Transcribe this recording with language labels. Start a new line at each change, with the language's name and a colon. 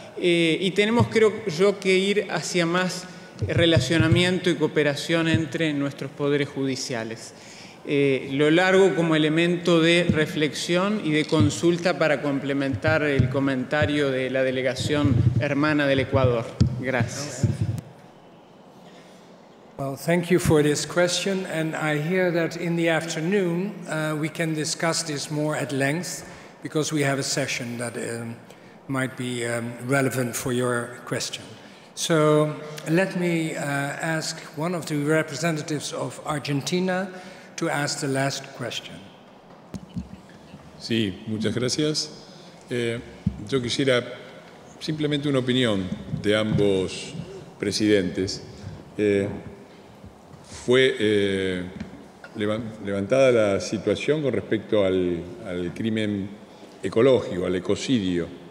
Spanish: Y tenemos, creo yo, que ir hacia más relacionamiento y cooperación entre nuestros poderes judiciales. Lo largo como elemento de reflexión y de consulta para complementar el comentario de la delegación hermana del Ecuador. Gracias.
English: Well, thank you for this question, and I hear that in the afternoon we can discuss this more at length, because we have a session that might be relevant for your question. So let me ask one of the representatives of Argentina to ask the last question.
Spanish: Sí, muchas gracias. Yo quisiera simplemente una opinión de ambos presidentes. Fue levantada la situación con respecto al, al crimen ecológico, al ecocidio.